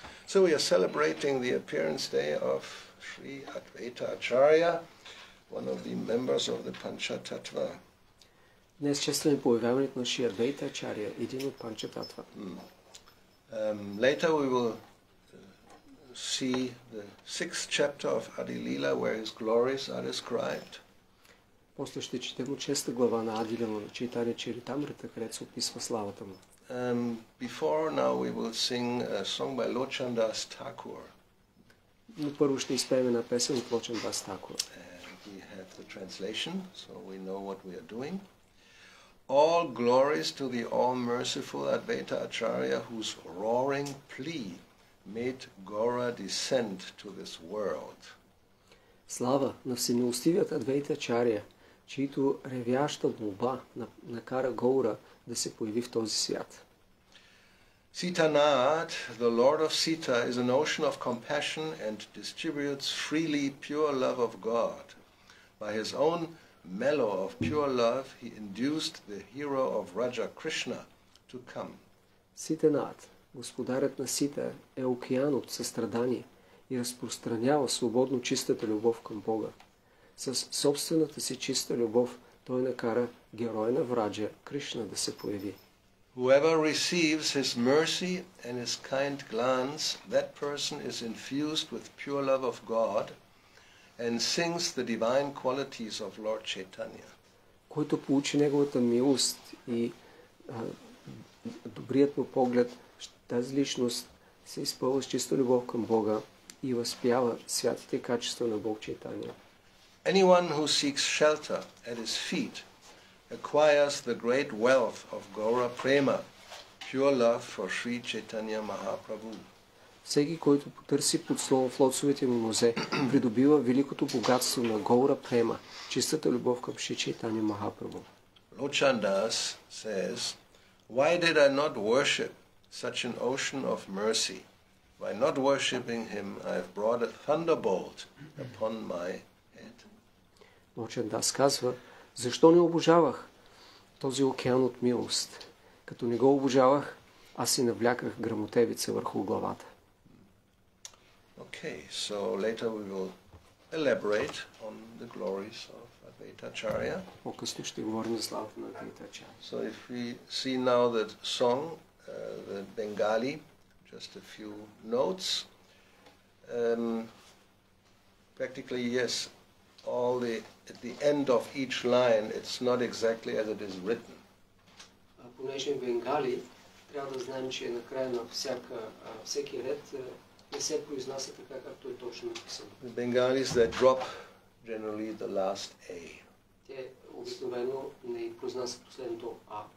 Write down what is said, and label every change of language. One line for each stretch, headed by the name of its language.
English: So we are celebrating the appearance day of Sri Advaita Acharya, one of the members of the Panchatattva.
Bulgarian: Днес честваме появяването на Шри Адвайта Ачарья, един от Панчататва.
English: Later we will see the sixth chapter of Adi Lila where his glories are described.
Bulgarian: После ще четем шеста глава на Адилила на Чайтанья Чаритамрита, където се описва славата му.
English: Before now we will sing a song by Lochandas Thakur.
Bulgarian: Но първо ще изпеем една песен от Лочандас Такур.
English: We have the translation, so we know what we are doing. All glories to the all-merciful Advaita Acharya, whose roaring plea made Gaura descend to this world.
Bulgarian: Слава на всемилостивият Адвайта Ачарья, чието ревяща молба накара Гаура да се появи в този свят.
English: Sitanath, the Lord of Sita, is an ocean of compassion and distributes freely pure love of God. By his own mellow of pure love, he induced the hero of Raja Krishna to come.
Bulgarian: Sitanath, господарят на Сита, е океан от състрадание и разпространява свободно чистата любов към Бога. Със собствената си чиста любов той накара героя на Враджа Кришна да се появи.
English: Whoever receives his mercy and his kind glance, that person is infused with pure love of God and sings the divine qualities of Lord Chaitanya.
Bulgarian: Който получи неговата милост и добрият му поглед, тази личност се изпълва с чиста любов към Бога и възпява святите качества на Бог Чайтанья.
English: Anyone who seeks shelter at his feet acquires the great wealth of Gaura Prema, pure love for Sri Chaitanya Mahaprabhu.
Bulgarian: Всеки, който потърси подслон в лотосовите му нозе, придобива великото богатство на Гаура Према, чистата любов към Шри Чайтанья Махапрабху.
English: Lochandas says, why did I not worship such an ocean of mercy? By not worshipping him, I have brought a thunderbolt upon my head.
Bulgarian: Lochandas казва, защо не обожавах този океан от милост? Като не го обожавах, аз си навляках грамотевица върху главата.
English: Okay, so later we will elaborate on the glories of Advaita Acharya.
Bulgarian: По-късно ще говорим за славата на Advaita Acharya.
English: So if we see now that song, the Bengali, just a few notes. Practically, yes. At the end of each line, it's not exactly as it is written.
Bulgarian: Понеже в Бенгали, трябва да знаем, че на края на всеки ред не се произнася така, както е точно написано.
English: The Bengalis, they drop generally the last A.
Bulgarian: Те обикновено не произнасят последното А.